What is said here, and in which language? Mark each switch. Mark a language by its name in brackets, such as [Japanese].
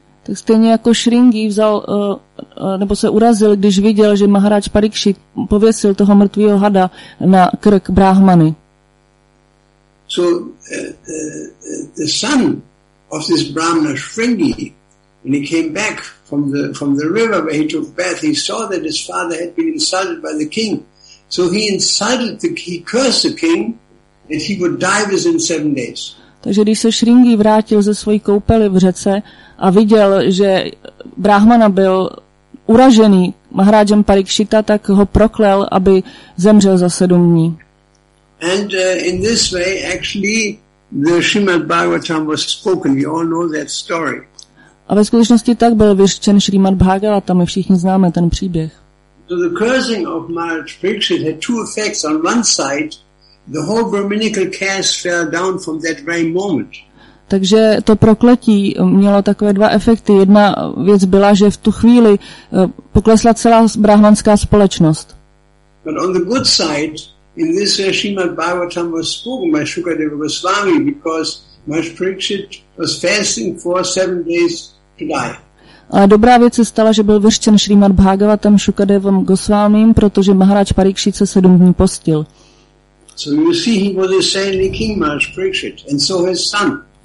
[Czech] Tak stejně jako Sringi vzal nebo se urazil, když viděl, že Maharaj Parikshit pověsil toho mrtvého hada na krk Brahmany. [English] So the son of this Brahmana Sringi, when he came back from the river where he took bath, he saw that his father had been insulted by the king. So he cursed the king that he would die within 7 days. [Czech] Takže když se Sringi vrátil ze své koupely v řece a viděl, že Brahmana byl uražený Maharajem Parikshita, tak ho proklel, aby zemřel za 7 dní. [English] And in this way actually the Srimad Bhagavatam was spoken. We all know that story. [Czech] A ve skutečnosti tak byl vyřčen Srimad Bhagavatam, my všichni známe ten příběh. [English] So the cursing of Maharaj Parikshit had two effects. On one side, the whole Brahminical caste fell down from that very moment. [Czech] Takže to prokletí mělo takové dva efekty. Jedna věc byla, že v tu chvíli poklesla celá brahmanská společnost. [English] But on the good side, in this Srimad Bhagavatam was spoken by Shukadeva Goswami because Maharaj Parikshit was fasting for 7 days to die. [Czech] A dobrá věc se stala, že byl vyřčen Srimad Bhagavatam Shukadevam Goswamim, protože Maharaj Parikshit se 7 dní postil. [English] So you see, he was a saintly king, Maharaj Parikshit, and so his son.